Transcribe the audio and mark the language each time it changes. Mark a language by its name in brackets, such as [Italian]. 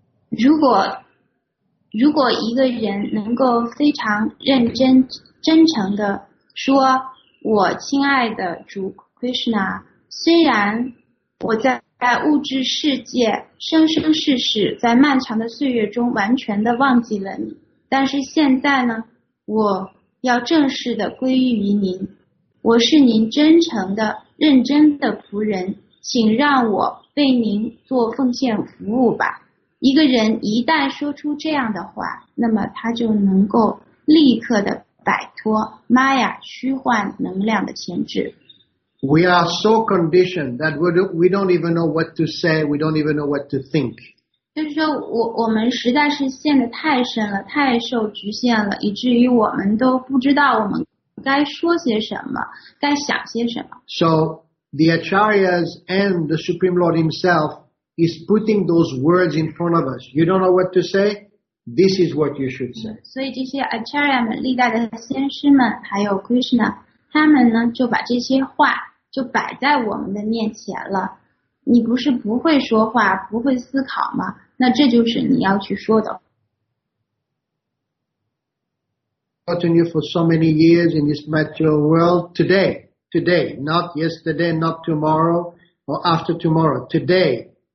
[Chinese] 如果一个人能够非常认真、真诚地说，我亲爱的主 Krishna， 虽然我在物质世界生生世世在漫长的岁月中完全地忘记了你，但是现在呢，我要正式地归依于您，我是您真诚的、认真的仆人，请让我为您做奉献服务吧。一个人一旦说出这样的话，那么他就能够立刻的摆脱玛雅虚幻能量的牵制。 [English] We are so conditioned that we don't even know what to say, we don't even know what to think. [Chinese] 就是说我们实在是陷得太深了，太受局限了，以至于我们都不知道我们该说些什么，该想些什么。 [English] So the Acharyas and the Supreme Lord himselfis putting those words in front of us. You don't know what to say? This is what you should say. [Chinese] 所以这些 Acharya 们历代的先师们还有 Krishna 他们呢就把这些话就摆在我们的面前了。你不是不会说话不会思考吗？那这就是你要去说的。 [English] I've gotten you for so many years in this material world today, not yesterday, not tomorrow, or after tomorrow, today.